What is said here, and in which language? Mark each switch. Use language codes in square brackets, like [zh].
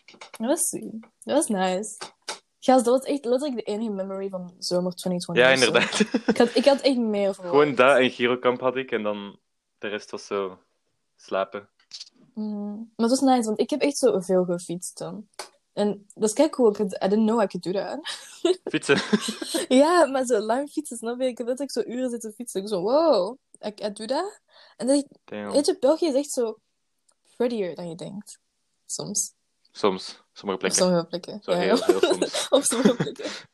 [nl] Dat was sweet. Dat was nice. Gast, dat was echt letterlijk de enige memory van zomer 2020. Ja, inderdaad. Ik had echt meer van. Gewoon dat en Girokamp had ik. En dan de rest was zo slapen. Maar het was nice, want ik heb echt zo veel gefietst dan. En dat is kei cool, [en] I didn't know I could do that. [nl] Fietsen? Ja, maar zo lang fietsen, snap je? Ik heb altijd zo uren zitten fietsen. Ik zo, wow, [en] I do that? [nl] En dan, weet je, België is echt zo prettier dan je denkt. Soms. Soms. Sommige plekken. Op sommige plekken. Zo, ja, heel, ja. Heel soms. Op sommige plekken.